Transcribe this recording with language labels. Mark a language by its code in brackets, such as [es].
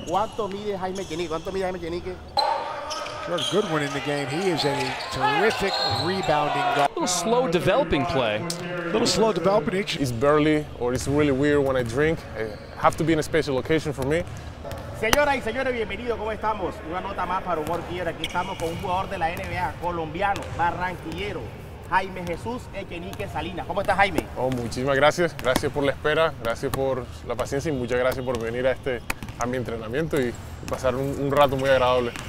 [es] ¿Cuánto mide Jaime Chenique? ¿Cuánto mide Jaime Chenique? [en] A good one in the game. He is a terrific rebounding guard. A little slow developing play. A little slow developing. It's burly, or it's really weird when I drink. I have to be in a special location for me. [es] Señoras y señores, bienvenidos. ¿Cómo estamos? Una nota más para Humor Gear. Aquí estamos con un jugador de la NBA, colombiano, barranquillero, Jaime Jesús Echenique Salinas. ¿Cómo estás, Jaime? Oh, muchísimas gracias. Gracias por la espera, gracias por la paciencia y muchas gracias por venir a este a mi entrenamiento y pasar un rato muy agradable.